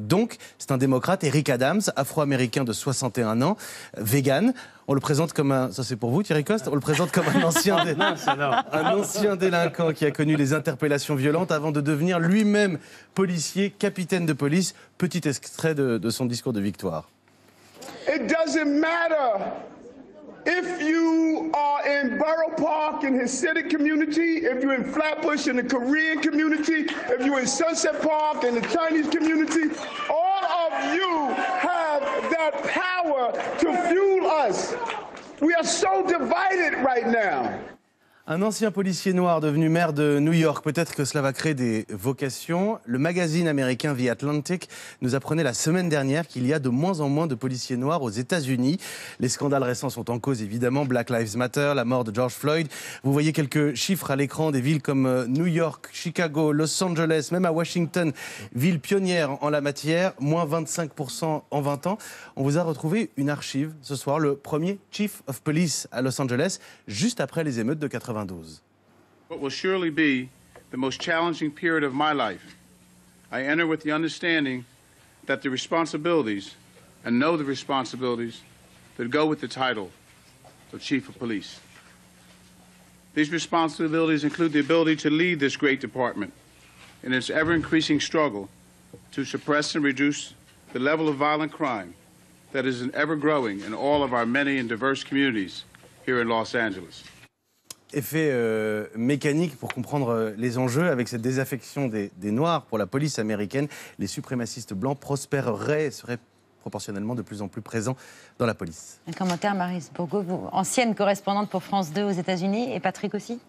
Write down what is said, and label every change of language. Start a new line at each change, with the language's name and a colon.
French: Donc, c'est un démocrate, Eric Adams, afro-américain de 61 ans, vegan. On le présente comme un... Ça, c'est pour vous, Thierry Coste. On le présente comme un ancien, un ancien délinquant qui a connu les interpellations violentes avant de devenir lui-même policier, capitaine de police. Petit extrait de son discours de victoire.
English: It doesn't matter if you are in Borough Park in Hasidic community, if you're in Flatbush in the Korean community, if you're in Sunset Park in the Chinese community, all of you have that power to fuel us. We are so divided right now.
French: Un ancien policier noir devenu maire de New York, peut-être que cela va créer des vocations. Le magazine américain The Atlantic nous apprenait la semaine dernière qu'il y a de moins en moins de policiers noirs aux États-Unis. Les scandales récents sont en cause, évidemment. Black Lives Matter, la mort de George Floyd. Vous voyez quelques chiffres à l'écran des villes comme New York, Chicago, Los Angeles, même à Washington, ville pionnière en la matière, moins 25% en 20 ans. On vous a retrouvé une archive ce soir, le premier chief of police à Los Angeles, juste après les émeutes de 80.
English: What will surely be the most challenging period of my life. I enter with the understanding that the responsibilities, and know the responsibilities, that go with the title of Chief of Police. These responsibilities include the ability to lead this great department in its ever-increasing struggle to suppress and reduce the level of violent crime that is ever-growing in all of our many and diverse communities here in Los Angeles.
French: Effet mécanique pour comprendre les enjeux avec cette désaffection des Noirs pour la police américaine. Les suprémacistes blancs prospéreraient, seraient proportionnellement de plus en plus présents dans la police. Un commentaire, Maryse Bourgo, ancienne correspondante pour France 2 aux États-Unis et Patrick aussi.